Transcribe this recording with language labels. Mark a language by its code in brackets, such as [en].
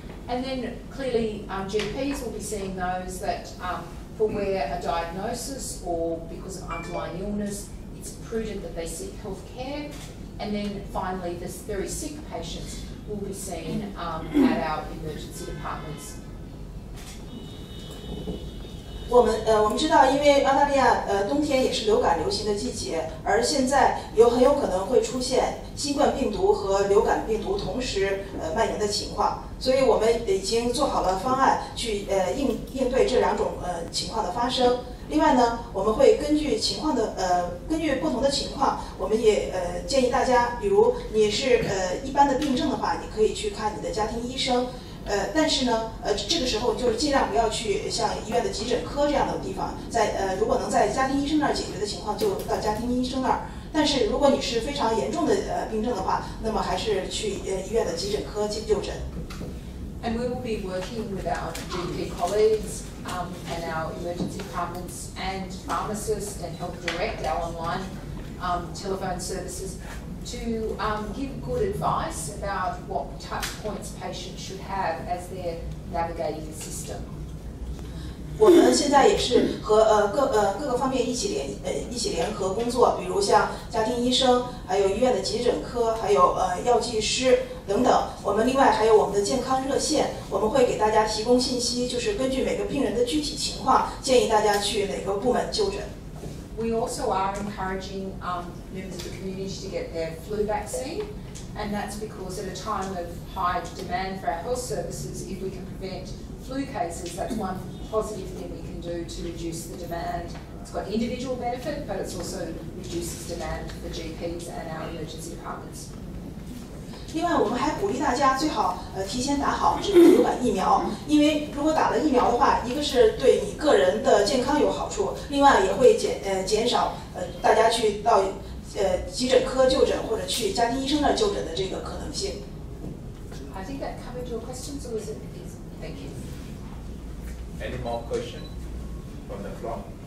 [en] And then clearly GPs will be seeing those that for where a diagnosis or because of underlying illness,It's prudent that they seek health care. And then finally, this very sick patients will be seen at our emergency departments. [zh] 我们知道因为澳大利亚冬天也是流感流行的季节，而现在有很有可能会出现新冠病毒和流感病毒同时蔓延的情况，所以我们已经做好了方案去应对这两种情况的发生。另外呢，我们会根据情况的根据不同的情况，我们也建议大家，比如你是一般的病症的话，你可以去看你的家庭医生，但是呢，这个时候就是尽量不要去像医院的急诊科这样的地方，在如果能在家庭医生那儿解决的情况，就到家庭医生那儿。但是如果你是非常严重的病症的话，那么还是去医院的急诊科就诊。 [en] And we will be working with our GP colleagues and our emergency departments and pharmacists and Health Direct, our online telephone services, to give good advice about what touch points patients should have as they're navigating the system. [zh] 我们现在也是和各个方面一起联合工作，比如像家庭医生，还有医院的急诊科，还有药剂师。等等，我们另外还有我们的健康热线，我们会给大家提供信息，就是根据每个病人的具体情况，建议大家去哪个部门就诊。 [en] We also are encouraging members of the community to get their flu vaccine, and that's because at a time of high demand for our health services, if we can prevent flu cases, that's one positive thing we can do to reduce the demand. It's got individual benefit, but it also reduces demand for GPs and our emergency departments. [zh] 另外，我们还鼓励大家最好提前打好这个流感疫苗，因为如果打了疫苗的话，一个是对你个人的健康有好处，另外也会减少大家去到急诊科就诊或者去家庭医生那儿就诊的这个可能性。 [en] I think that covered your questions, Elizabeth. Thank you. Any more questions from the floor?